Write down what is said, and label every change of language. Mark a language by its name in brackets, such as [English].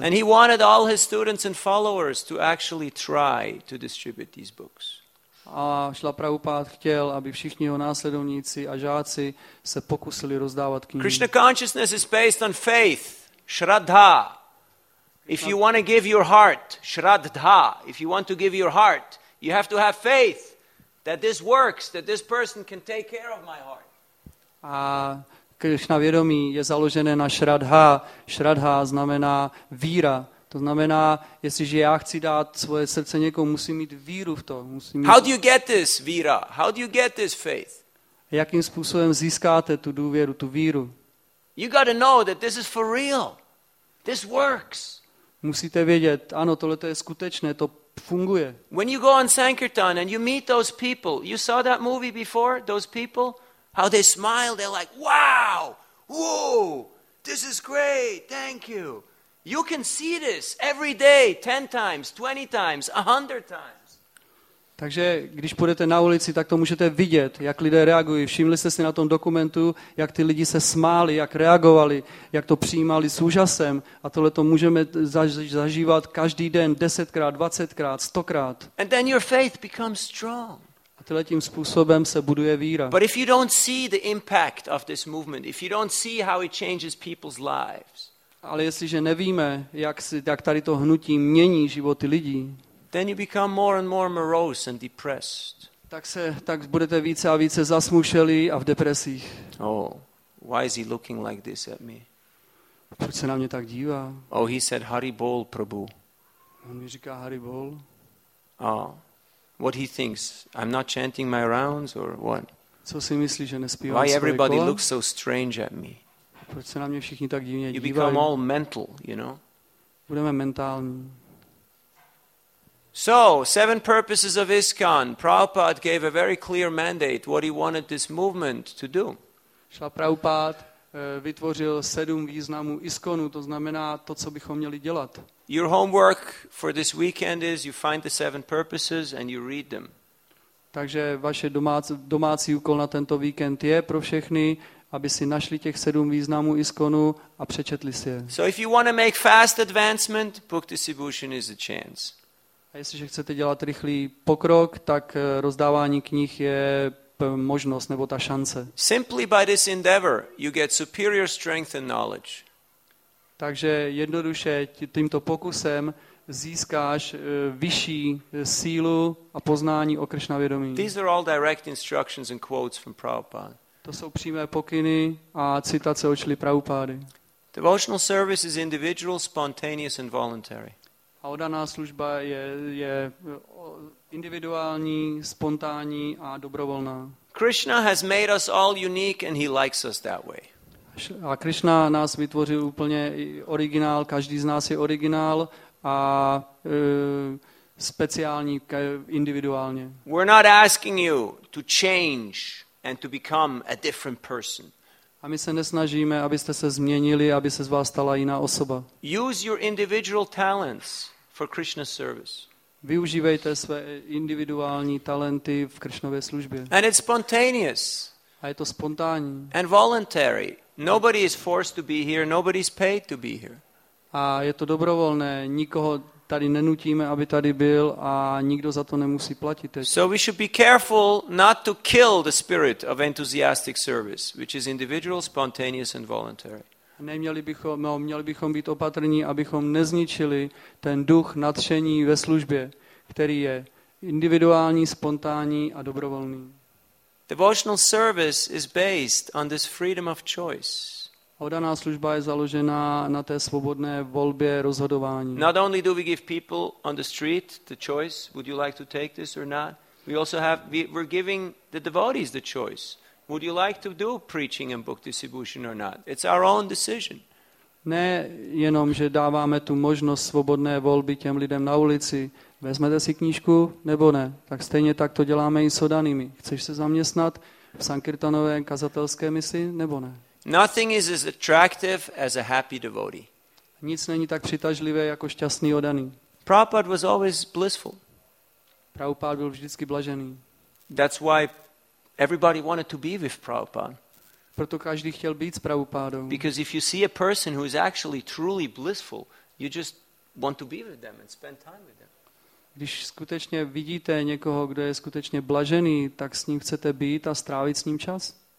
[English] And he wanted all his students and followers to actually try to distribute these books. [Czech] A Šrila Prabhupád chtěl, aby všichni jeho následovníci a žáci se pokusili rozdávat knihy. [English] Krishna consciousness is based on faith, shraddha. If you want to give your heart, shraddha. If you want to give your heart, you have to have faith. That this works, that this person can take care of my heart. [Czech] A Krishna vědomí je založené na Shraddha. Shraddha znamená víra. To znamená, jestliže já chci dát svoje srdce někomu, musím mít víru v to. [English] How do you get this víra? How do you get this faith? [Czech] Jakým způsobem získáte tu důvěru, tu víru? [English] You got to know that this is for real. This works. [Czech] Musíte vědět, ano, tohle to je skutečné, to funguje. [English] When you go on Sankirtan and you meet those people, you saw that movie before, those people, how they smile, they're like, wow, whoa, this is great, thank you. You can see this every day, 10 times, 20 times, 100 times. [Czech] Takže když půjdete na ulici, tak to můžete vidět, jak lidé reagují. Všimli jste si na tom dokumentu, jak ty lidi se smáli, jak reagovali, jak to přijímali s úžasem. A tohle to můžeme zažívat každý den 10krát, 20krát, 100krát. [English] And then your faith becomes strong. [Czech] A tyhle tím způsobem se buduje víra. [English] But if you don't see the impact of this movement, if you don't see how it changes people's lives, [Czech] ale jestliže nevíme, jak tady to hnutí mění životy lidí, [English] then you become more and more morose and depressed. [Czech] Tak budete více a více zasmušelí a v depresích. [English] Oh, why is he looking like this at me? [Czech] Proč se na mě tak dívá? [English] Oh, he said Hari Bol Prabhu. [Czech] On mi říká Hari Bol. [English] Oh, what he thinks? I'm not chanting my rounds or what? [Czech] Co si myslí, že nespívám svoje kola? [English] Why everybody looks so strange at me? [Czech] Proč se na mě všichni tak divně dívají? [English] You become all mental, you know? [Czech] Budeme mentální. [English] So, seven purposes of ISKCON. Prabhupada gave a very clear mandate what he wanted this movement to do. [Czech] Srila Prabhupada vytvořil sedm významů ISKCONu, to znamená to, co bychom měli dělat. [English] Your homework for this weekend is you find the seven purposes and you read them. [Czech] Takže vaše domácí úkol na tento víkend je pro všechny, aby si našli těch sedm významů ISKCONu a přečetli si je. [English] So if you want to make fast advancement, book distribution is a chance. [Czech] A jestliže chcete dělat rychlý pokrok, tak rozdávání knih je možnost nebo ta šance. [English] Simply by this endeavor you get superior strength and knowledge. [Czech] Takže jednoduše tímto pokusem získáš vyšší sílu a poznání o Krishna vědomí. [English] These are all direct instructions and quotes from Prabhupada. [Czech] To jsou přímé pokyny a citace od Šrily Prabhupády. [English] Devotional service is individual, spontaneous and voluntary. [Czech] A oddaná služba je individuální, spontánní a dobrovolná. [English] Krishna has made us all unique and he likes us that way. [Czech] A Krishna nás vytvořil úplně originál, každý z nás je originál a speciální individuálně. [English] We're not asking you to change and to become a different person. [Czech] A my se nesnažíme, abyste se změnili, aby se z vás stala jiná osoba. [English] Use your individual talents for Krishna's service. [Czech] Využívejte své individuální talenty v Krishnově službě. [English] And it's spontaneous. [Czech] A je to spontánní. [English] And voluntary. Nobody is forced to be here, nobody's paid to be here. [Czech] A je to dobrovolné, nikoho tady nenutíme, aby tady byl a nikdo za to nemusí platit. Teď. [English] So we should be careful not to kill the spirit of enthusiastic service, which is individual, spontaneous and voluntary. [Czech] Měli bychom být opatrní, abychom nezničili ten duch nadšení ve službě, který je individuální, spontánní a dobrovolný. [English] Devotional service is based on this freedom of choice. [Czech] Oddaná služba je založena na té svobodné volbě rozhodování. [English] Not only do we give people on the street the choice, would you like to take this or not? We're giving the devotees the choice. Would you like to do preaching and book distribution or not? It's our own decision. [Czech] Ne jenom, že dáváme tu možnost svobodné volby těm lidem na ulici. Vezmete si knížku nebo ne? Tak stejně tak to děláme i s oddanými. Chceš se zaměstnat v Sankirtanové kazatelské misi nebo ne? [English] Nothing is as attractive as a happy devotee. [Czech] Nic není tak přitažlivé jako šťastný oddaný. [English] Prabhupada was always blissful. [Czech] Prabhupada byl vždycky blažený. [English] That's why everybody wanted to be with Prabhupada. [Czech] Proto každý chtěl být s Prabhupádou. [English] Because if you see a person who is actually truly blissful, you just want to be with them and spend time with them. [Czech] Když skutečně vidíte někoho, kdo je skutečně blažený, tak s ním chcete být a strávit s ním čas.